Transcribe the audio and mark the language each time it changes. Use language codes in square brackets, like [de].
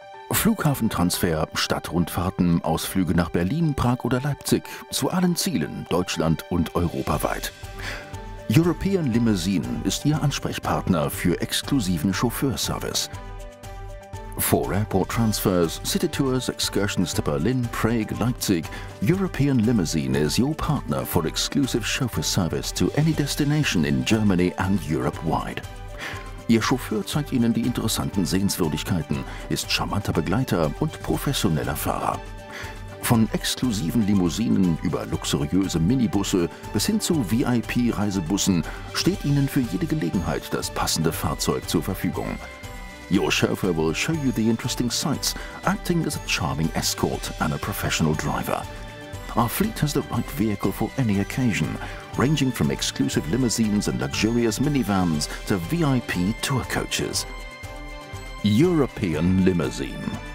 [de] Flughafentransfer, Stadtrundfahrten, Ausflüge nach Berlin, Prag oder Leipzig. Zu allen Zielen, Deutschland und europaweit. European Limousine ist Ihr Ansprechpartner für exklusiven Chauffeurservice. [en] For airport transfers, city tours, excursions to Berlin, Prague, Leipzig, European Limousine is your partner for exclusive chauffeur service to any destination in Germany and Europe-wide. [de] Ihr Chauffeur zeigt Ihnen die interessanten Sehenswürdigkeiten, ist charmanter Begleiter und professioneller Fahrer. Von exklusiven Limousinen über luxuriöse Minibusse bis hin zu VIP-Reisebussen steht Ihnen für jede Gelegenheit das passende Fahrzeug zur Verfügung. [en] Your chauffeur will show you the interesting sights, acting as a charming escort and a professional driver. Our fleet has the right vehicle for any occasion, ranging from exclusive limousines and luxurious minivans to VIP tour coaches. European Limousine.